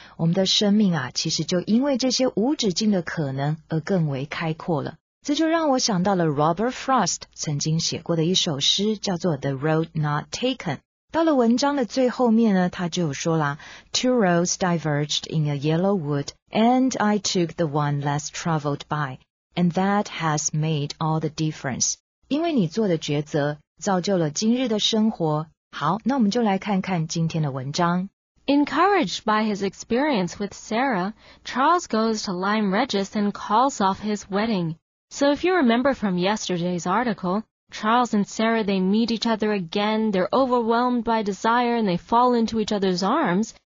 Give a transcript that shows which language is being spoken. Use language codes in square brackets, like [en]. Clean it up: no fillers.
[zh] 我们的生命啊，其实就因为这些无止境的可能而更为开阔了。这就让我想到了 Robert Frost 曾经写过的一首诗，叫做 The Road Not Taken。到了文章的最后面呢，他就有说啦 [en] Two roads diverged in a yellow wood, and I took the one less traveled by, and that has made all the difference. [zh] 因为你做的抉择，造就了今日的生活。好，那我们就来看看今天的文章。 [en] Encouraged by his experience with Sarah, Charles goes to Lyme Regis and calls off his wedding. So if you remember from yesterday's article,Charles and Sarah, they meet each other again, they're overwhelmed by desire, and they fall into each other's arms.